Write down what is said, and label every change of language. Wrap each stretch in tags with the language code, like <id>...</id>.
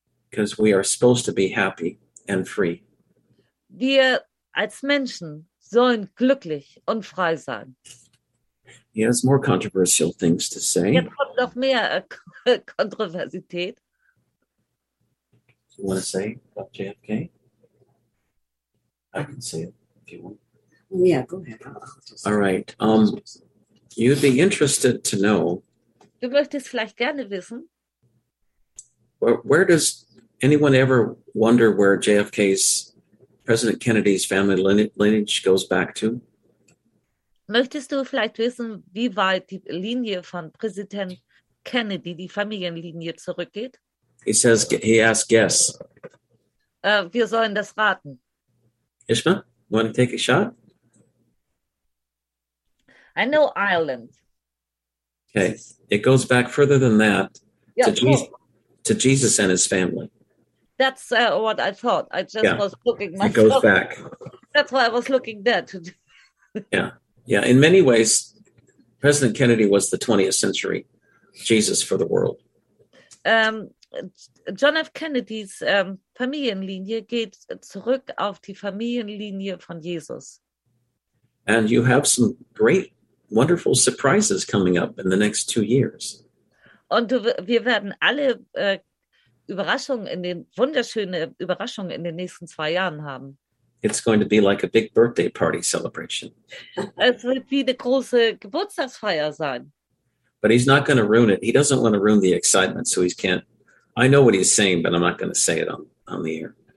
<en>Because we are supposed to be happy and free.</en> <de>Wir als Menschen sollen glücklich und frei sein.</de> <en>He has more controversial things to say.</en> <de>Jetzt kommt noch mehr Kontroversität.</de> <en>You want to say about JFK? I can say it if you want. Yeah, go ahead. All right. You'd be interested to know</en> <de>Du möchtest vielleicht gerne wissen.</de> <en>Where does anyone ever wonder where JFK's, President Kennedy's family lineage goes back to?</en> <de>Möchtest du vielleicht wissen, wie weit die Linie von Präsident Kennedy, die Familienlinie, zurückgeht?</de> <en>He asks, guess.</en> <de>Wir sollen das raten.</de> <en>Ishma, want to take a shot? I know Ireland. Okay, it goes back further than that, yeah, to Jesus. Cool. To Jesus and his family. That's what I thought. I just was looking myself. It goes back. That's why I was looking there. Yeah. In many ways, President Kennedy was the 20th century Jesus for the world. John F.</en> <de>Kennedy's Familienlinie geht zurück auf die Familienlinie von Jesus.</de> <en>And you have some great, wonderful surprises coming up in the next 2 years.</en> <de>Und wir werden alle Überraschungen in den wunderschöne Überraschungen in den nächsten 2 Jahren haben.</de> <en>It's going to be like a big birthday party celebration.</en> <de>Es wird wie eine große Geburtstagsfeier sein.</de> <en>But he's not going to ruin it. He doesn't want to ruin the excitement, so he can't. I know what he's saying, but I'm not going to say it on the air.</en>